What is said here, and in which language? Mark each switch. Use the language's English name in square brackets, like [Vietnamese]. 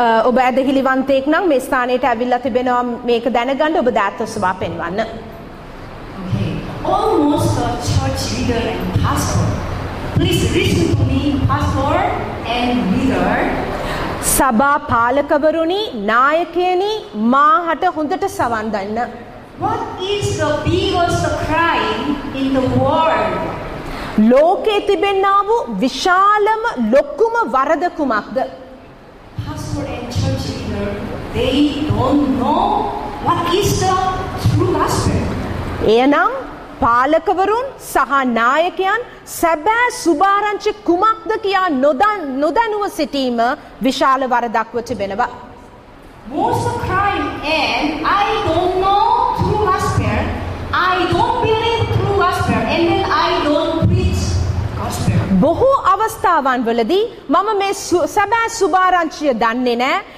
[Sinhala] ඔබ ඇදහිලිවන්තයෙක් නම් මේ ස්ථානයට ඇවිල්ලා තිබෙනවා මේක දැනගන්න ඔබ දාත් ඔසවා පෙන්වන්න. [English] Almost the church leader and pastor. Please listen to me, pastor and leader. [Sinhala] සභා පාලකවරුනි නායකයනි මාහට හොඳට සවන් දෙන්න. [English] What is the biggest crime in the world? [Sinhala] ලෝකේ තිබෙනා වූ විශාලම ලොකුම වරද කුමක්ද? [English] Pastor and church leader, they don't know what is the true gospel. [Sinhala] එනම් පාලකවරුන් සහ නායකයන් සැබෑ සුභාරංචි කුමක්ද කියා නොදැනුව සිටීම විශාල වරදක් වෙති වෙනවා. [English] Most of crime and I don't know true gospel. I don't believe true gospel and then I don't preach gospel. [Sinhala] බොහෝ අවස්ථාවන් වලදී මම මේ සැබෑ සුභාරංචිය දන්නේ නැහැ.